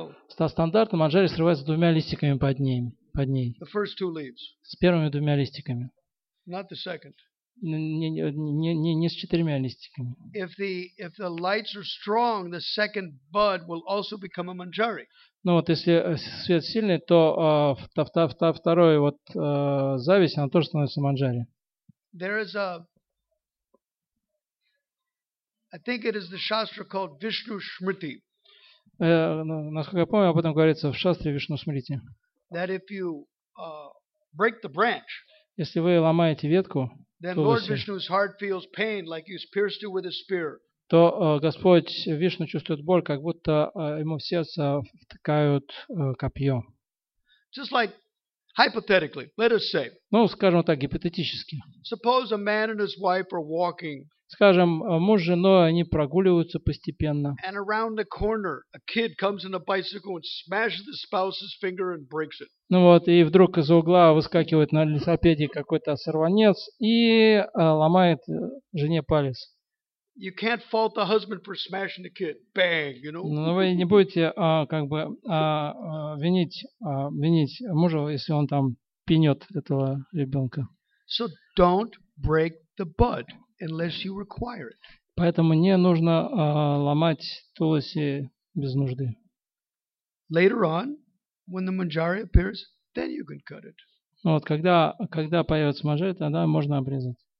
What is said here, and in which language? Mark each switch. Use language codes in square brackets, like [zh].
[ru] Стандартно манжари срывается двумя листиками под ней. [en] The first two leaves. [ru] С первыми двумя листиками. [en] Not the second. [ru] Не с четырьмя листиками. [en] If the lights are strong, the second bud will also become a manjari. [ru] Ну вот, если свет сильный, то второй вот зависть, она тоже становится манджари. [en] There is a, I think it is the shastra called Vishnu Smriti. [ru] Насколько я помню, об этом говорится в шастре Вишну Смрити. [en] That if you break the branch. [ru] Если вы ломаете ветку. [en] Then Lord Vishnu's heart feels pain, like he's pierced it with a spear. [ru] То Господь Вишну чувствует боль, как будто ему в сердце втыкают копье. [en] Just like hypothetically, let us say. [ru] Ну, скажем так, гипотетически. [en] Suppose a man and his wife are walking. [ru] Скажем, муж с женой, они прогуливаются постепенно. [en] And around the corner, a kid comes on a bicycle and smashes the spouse's finger and breaks it. [ru] Ну вот, и вдруг из-за угла выскакивает на велосипеде какой-то сорванец и ломает жене палец. [en] You can't fault the husband for smashing the kid. Bang, you know? [ru] Ну, вы не будете винить мужа, если он там пинет этого ребенка. [en] So don't break the bud. Unless you require it. [ru] Поэтому не нужно ломать тулоси без нужды. [en] Later on, when the manjari appears, then you can cut it. [ru] Ну вот, когда появится манжари, тогда можно обрезать.